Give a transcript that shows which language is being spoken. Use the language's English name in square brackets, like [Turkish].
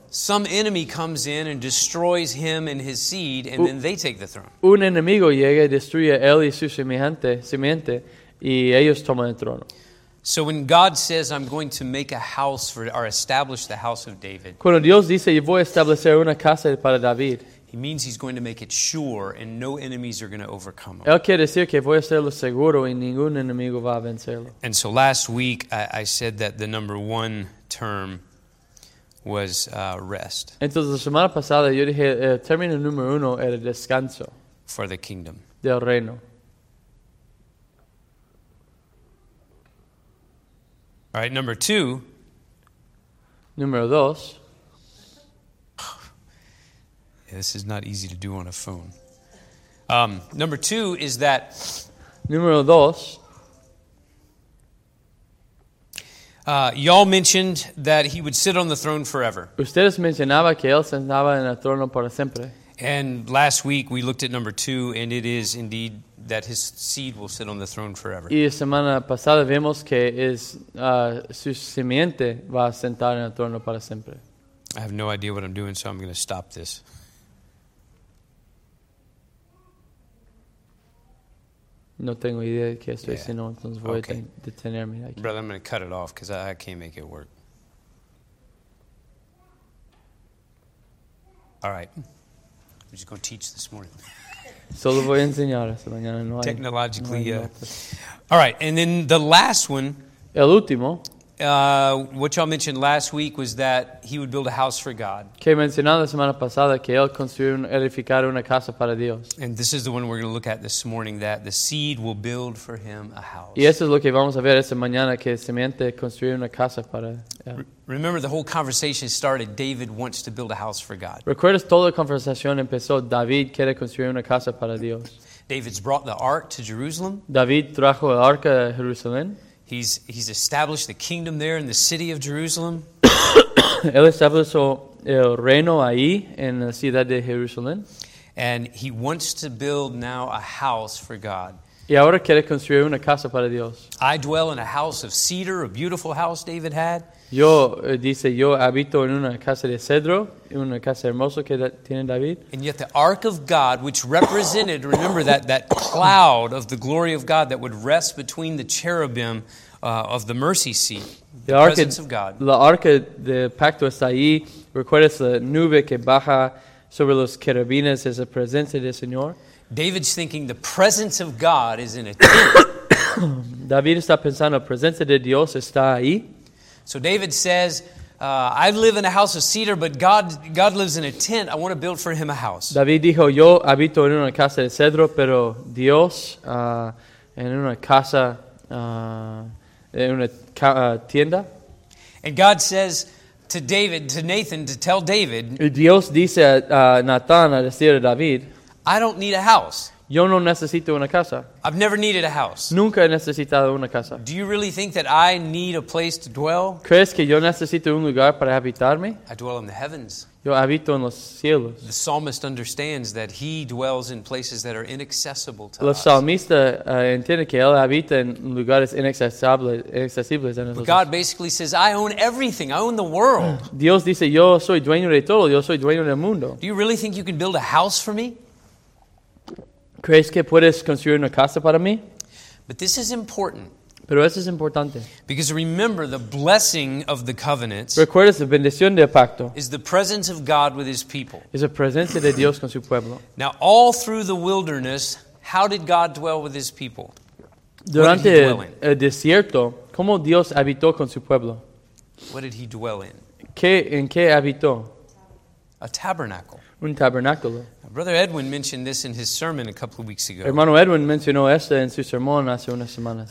[English] some enemy comes in and destroys him and his seed, and then they take the throne. [Spanish] Un enemigo llega y destruye él y su simiente, y ellos toman el trono. [English] So when God says, I'm going to make a house for, or establish the house of David. [Spanish] Cuando Dios dice, yo voy a establecer una casa para David. [English] He means he's going to make it sure and no enemies are going to overcome him. [Spanish] Él quiere decir que voy a hacerlo seguro y ningún enemigo va a vencerlo. [English] And so last week I said that the number one term was rest. [Spanish] Entonces la semana pasada yo dije el término número uno era descanso. [English] For the kingdom. [Spanish] Del reino. [English] All right, number two. [Spanish] Número dos. [English] Yeah, this is not easy to do on a phone. Number two is that. [Spanish] Número dos. [English] Y'all mentioned that he would sit on the throne forever. [Spanish] Ustedes mencionaban que él sentaba en el trono para siempre. [English] And last week we looked at number two, and it is indeed that his seed will sit on the throne forever. [Spanish] Y semana pasada vemos que es su simiente va a sentar en el trono para siempre. [English] I have no idea what I'm doing, so I'm going to stop this. [Spanish] No tengo idea qué estoy haciendo, entonces voy a detenerme aquí. [English] Brother, I'm going to cut it off because I can't make it work. All right. I'm just going to teach this morning. [Spanish] Solo voy a enseñar esta mañana. No hay, [English] technologically, [Spanish] no hay [English] All right, and then the last one. [Spanish] El último. [English] What y'all mentioned last week was that he would build a house for God. [Spanish] Que mencionaron la semana pasada que él edificar una casa para Dios. [English] And this is the one we're going to look at this morning, that the seed will build for him a house. [Spanish] Y eso es lo que vamos a ver esta mañana, que el simiente construir una casa para él. [English] Remember, the whole conversation started, David wants to build a house for God. [Spanish] ¿Recuerdas? Toda la conversación empezó, David quiere construir una casa para Dios. [English] David's brought the ark to Jerusalem. [Spanish] David trajo el arca a Jerusalén. [English] He's established the kingdom there in the city of Jerusalem. [Spanish] Él estableció el reino ahí, en la ciudad de Jerusalén. [English] And he wants to build now a house for God. [Spanish] Y ahora quiere construir una casa para Dios. [English] I dwell in a house of cedar, a beautiful house David had. [Spanish] Yo, dice, yo habito en una casa de cedro, una casa hermosa que tiene David. [English] And yet the ark of God, which represented, remember that cloud of the glory of God that would rest between the cherubim of the mercy seat, the [Spanish] arca, [English] presence of God. [Spanish] La arca de pacto está ahí. Recuerdas la nube que baja sobre los querubines, es la presencia del Señor. [English] David's thinking the presence of God is in a tent. [Spanish] David está pensando, la presencia de Dios está ahí. [English] So David says, I live in a house of cedar, but God lives in a tent. I want to build for him a house. [Spanish] David dijo, yo habito en una casa de cedro, pero Dios en una casa, en una tienda. [English] And God says to David, to Nathan, to tell David. [Spanish] Y Dios dice a Nathan, a decir a David. [English] I don't need a house. [Spanish] Yo no necesito una casa. [English] I've never needed a house. [Spanish] Nunca he necesitado una casa. [English] Do you really think that I need a place to dwell? [Spanish] ¿Crees que yo necesito un lugar para habitarme? [English] I dwell in the heavens. [Spanish] Yo habito en los cielos. [English] The psalmist understands that he dwells in places that are inaccessible to us. [Spanish] El salmista entiende que él habita en lugares inaccesibles. [English] But God basically says, I own everything. I own the world. [Spanish] Dios dice, yo soy dueño de todo. Yo soy dueño del mundo. [English] Do you really think you can build a house for me? [Spanish] ¿Crees que puedes construir una casa para mí? [English] But this is important. [Spanish] Pero eso es importante. [English] Because remember, the blessing of the covenants. [Spanish] ¿Recuerdas la bendición del pacto? [English] Is the presence of God with his people. [Spanish] Es la presencia de Dios con su pueblo. [English] Now, all through the wilderness, how did God dwell with his people? [Spanish] Durante el desierto, ¿cómo Dios habitó con su pueblo? [English] What did he dwell in? [Spanish] ¿En qué habitó? [English] A tabernacle. [Spanish] Un tabernáculo. [English] Brother Edwin mentioned this in his sermon a couple of weeks ago. [Spanish] Hermano Edwin mencionó esto en su sermón hace unas semanas.